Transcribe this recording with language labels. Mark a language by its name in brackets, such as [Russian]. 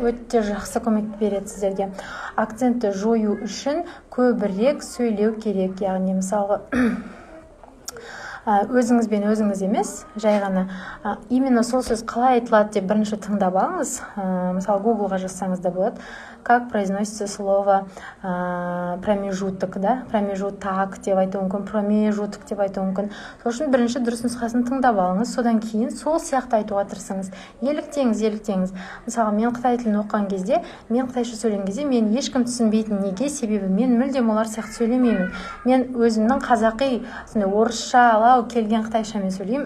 [Kazakh] Өте жақсы көмек береді сіздерге. Акцентті жою үшін көбірек сөйлеу керек, яғни мысалы өзіңізбен өзіңіз емес, жай ғана именно сол сөз қалай айтылады деп бірінші тыңдап алыңыз. Мысалы Google-ға жазсаңыз да болады. [Russian] Как произносится слово промежуток, да? [Kazakh] Промежуток деп айтуы мүмкін, промежуток деп айтуы мүмкін. Сол үшін бірінші дұрыс нұсқасын тыңдап алыңыз, содан кейін сол сияқты айтуға тырысыңыз. Еліктеңіз, еліктеңіз. Мысалы, мен қытай тілін оқыған кезде, мен қытайша сөйлеген кезде мен ешкім түсінбейтін. Неге? Себебі мен мүлдем олар сияқты сөйлемеймін. Мен өзімнің қазақи, сондай орысшалау келген қытайшамен сөйлеймін.